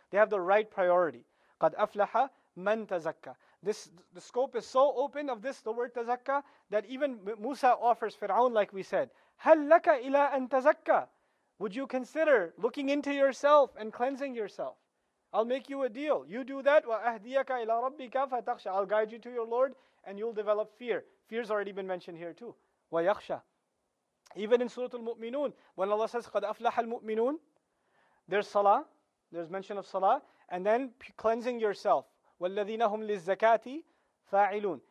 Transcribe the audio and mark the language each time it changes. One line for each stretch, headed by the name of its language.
English: They have the right priority.
Arabic: قَدْ أَفْلَحَ مَنْ تَزَكَّى.
English: This, the scope is so open of this, the word tazakka, that even Musa offers Fir'aun, like we said,
Arabic: هَلْ لَكَ إِلَىٰ أَنْ تَزَكَّى.
English: Would you consider looking into yourself and cleansing yourself? I'll make you a deal. You do that,
Arabic: وَأَهْدِيَكَ إِلَىٰ رَبِّكَ فَتَخْشَى.
English: I'll guide you to your Lord and you'll develop fear. Fear's already been mentioned here too.
Arabic: وَيَخْشَى.
English: Even in Surah Al-Mu'minun, when Allah says,
Arabic: قَدْ أَفْلَحَ الْمُؤْمِنُونَ,
English: there's salah, there's mention of salah, and then cleansing yourself.
Arabic: وَالَّذِينَ هُمْ لِلزَّكَاةِ فَاعِلُونَ.